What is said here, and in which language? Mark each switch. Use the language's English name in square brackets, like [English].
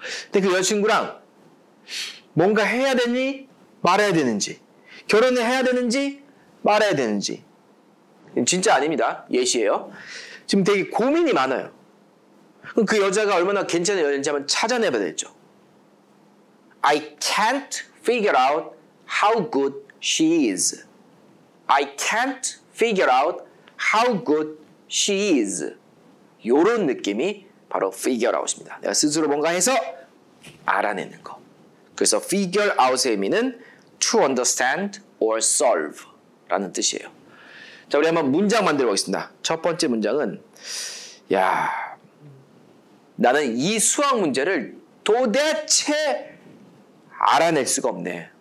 [Korean] 근데 그 여자친구랑 뭔가 해야 되니 말아야 되는지, 결혼을 해야 되는지 말아야 되는지. 진짜 아닙니다. 예시예요. 지금 되게 고민이 많아요. 그럼 그 여자가 얼마나 괜찮은 여자인지 한번 찾아내봐야 되죠. [English] I can't figure out how good she is. I can't figure out how good she is. [Korean] 요런 느낌이 바로 figure out입니다. 내가 스스로 뭔가 해서 알아내는 거. 그래서 figure out의 의미는 [English] to understand or solve [Korean] 라는 뜻이에요. 자, 우리 한번 문장 만들어 보겠습니다. 첫 번째 문장은, 야, 나는 이 수학 문제를 도대체 알아낼 수가 없네.